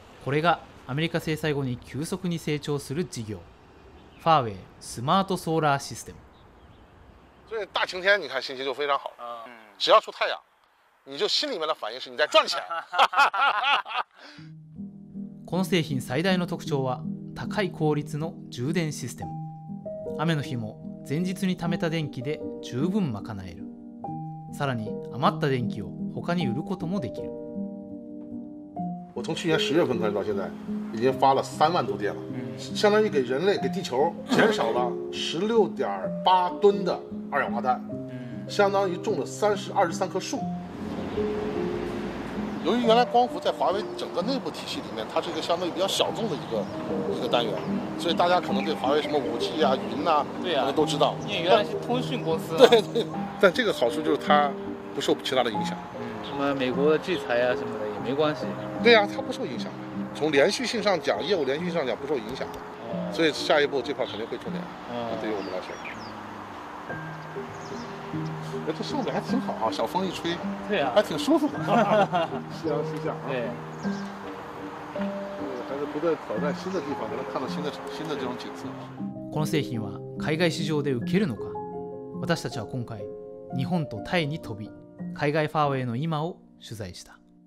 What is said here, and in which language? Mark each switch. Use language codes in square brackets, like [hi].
[ja] これがアメリカ制裁後に急速に成長する事業、ファーウェイスマートソーラーシステム。 [zh] 所以大晴天，你看心情就非常好。嗯。只要出太阳，你就心里面的反应是你在赚钱。 [ja] この製品最大の特徴は。高い効率の充電システム。雨の日も前日に貯めた電気で十分賄える。さらに余った電気を他に売ることもできる。 [zh] 我从去年十月份开始到现在，已经发了三万多电了，相当于给人类、给地球减少了16.8吨的二氧化碳，相当于种了23棵树。由于原来光伏在华为整个内部体系里面，它是一个相对比较小众的一个单元，所以大家可能对华为什么 5G 啊、云呐、啊，对呀、啊，都知道。因为原来是通讯公司、啊。对对。但这个好处就是它不受其他的影响。什么美国的制裁啊什么的也没关系。对呀、啊，它不受影响。从连续性上讲，业务连续性上讲不受影响。哦。所以下一步这块肯定会重点。哦。对于我们来说。这设备还挺好啊，小风一吹，对啊，还挺舒服的，夕阳西下啊。对，还是不断挑战新的地方，才能看到新的这种景色。 [ja] この製品は海外市場で受けるのか？私たちは今回日本とタイに飛び、海外ファーウェイの今を取材した。